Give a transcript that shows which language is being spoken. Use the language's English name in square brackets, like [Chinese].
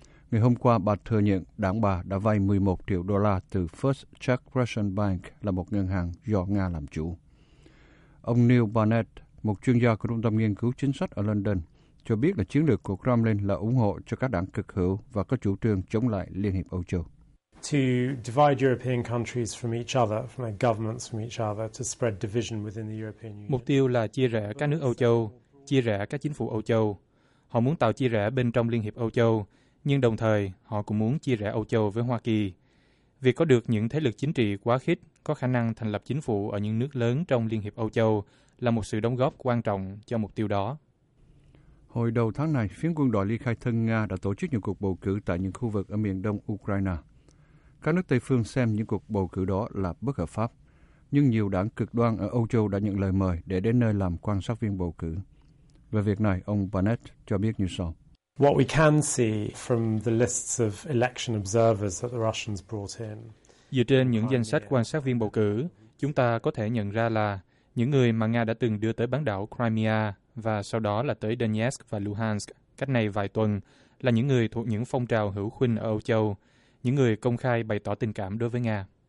[Vietnamese] Ngày hôm qua, bà thừa nhận đảng bà đã vay 11 triệu đô la từ First Czech Russian Bank, là một ngân hàng do Nga làm chủ. Ông Neil Barnett, một chuyên gia của Trung tâm Nghiên cứu Chính sách ở London, cho biết là chiến lược của Kremlin là ủng hộ cho các đảng cực hữu và có chủ trương chống lại Liên hiệp Âu Châu. [English] To divide European countries from each other, from their governments from each other, to spread division within the European Union. [Vietnamese] Mục tiêu là chia rẽ các nước Âu Châu, chia rẽ các chính phủ Âu Châu. Họ muốn tạo chia rẽ bên trong Liên hiệp Âu Châu, nhưng đồng thời họ cũng muốn chia rẽ Âu Châu với Hoa Kỳ. Việc có được những thế lực chính trị quá khích có khả năng thành lập chính phủ ở những nước lớn trong Liên hiệp Âu Châu là một sự đóng góp quan trọng cho mục tiêu đó. Hồi đầu tháng này, phiến quân đội ly khai thân Nga đã tổ chức những cuộc bầu cử tại những khu vực ở miền đông Ukraine. Các nước Tây Phương xem những cuộc bầu cử đó là bất hợp pháp, nhưng nhiều đảng cực đoan ở Âu Châu đã nhận lời mời để đến nơi làm quan sát viên bầu cử. Về việc này, ông Barnett cho biết như sau. [English] What we can see from the lists of election observers that the Russians brought in. [Vietnamese] Dựa trên những danh sách quan sát viên bầu cử, chúng ta có thể nhận ra là những người mà Nga đã từng đưa tới bán đảo Crimea và sau đó là tới Donetsk và Luhansk cách nay vài tuần là những người thuộc những phong trào hữu khuynh ở Âu Châu, những người công khai bày tỏ tình cảm đối với Nga.